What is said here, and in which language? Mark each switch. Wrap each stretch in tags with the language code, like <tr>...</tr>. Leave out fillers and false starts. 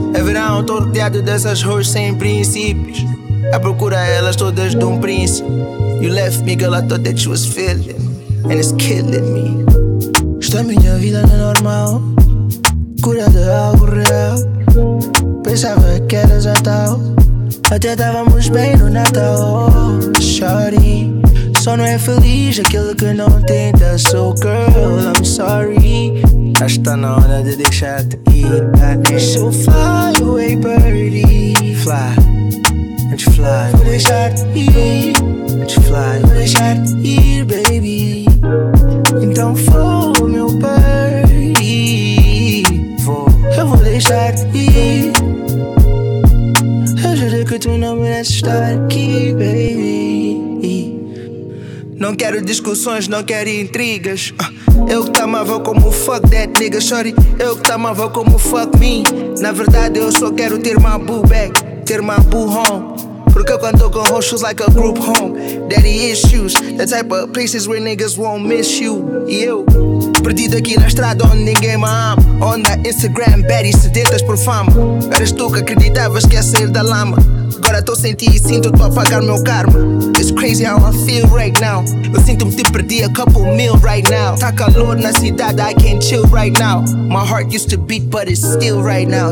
<pt>É verão, tô rodeado dessas roxas sem princípios. A procura elas todas de príncipe.</pt> <en>You left me, girl, I thought that you was feeling. And it's killing me.</en> <pt>Esta minha vida não é normal. Cura de algo real. Pensava que eras a tal. Até estávamos bem no Natal. Shorty. Só não é feliz aquele que não tenta.</pt> <en>So girl, I'm sorry.</en> <pt>Já está na hora de deixar-te ir.</pt> <en>So fly away, birdie. Fly. Let's fly.</en> <pt>Vou deixar-te ir.</pt> <en>Let's fly.</en> <pt>Vou deixar-te ir, baby. Então vou, meu birdie. Vou. Eu vou deixar-te ir. Eu juro que tu não mereces estar aqui, baby. Não quero discussões, não quero intrigas. Eu que te amava como</pt> <en>fuck that nigga, sorry.</en> <pt>Eu que te amava como</pt> <en>fuck me.</en> <pt>Na verdade eu só quero ter</pt> <en>my boo back. Ter my boo home.</en> <pt>Porque eu canto com roxos</pt> <en>like a group home. Daddy issues. The type of places where niggas won't miss you.</en> <pt>E eu perdido aqui na estrada onde ninguém me ama. Onda Instagram, baddies sedentas por fama. Eras tu que acreditavas que ia sair da lama. Agora estou sentindo e sinto-te a pagar meu karma.</pt> <en>It's crazy how I feel right now.</en> <pt>Eu sinto-me te perdi</pt> <en>a couple mil right now.</en> <pt>Tá calor na cidade,</pt> <en>I can't chill right now. My heart used to beat but it's still right now.</en>